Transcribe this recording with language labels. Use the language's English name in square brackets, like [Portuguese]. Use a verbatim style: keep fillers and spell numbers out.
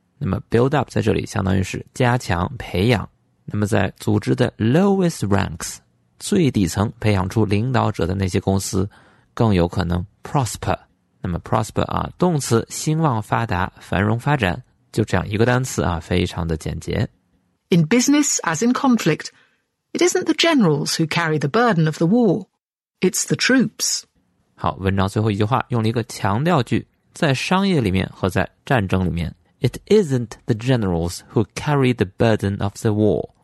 [Chinese] 那么 build up 在这里相当于是加强培养，那么在组织的 [English] lowest ranks [Chinese] 最底层培养出领导者的那些公司更有可能 prosper。那么 prosper 啊，动词兴旺发达繁荣发展，就这样一个单词啊，非常的简洁。 [English] In business as in conflict, it isn't the generals who carry the burden of the war. It's the troops. [Chinese] 好，文章最后一句话用了一个强调句，在商业里面和在战争里面。 [English] It isn't the generals who carry the burden of the war.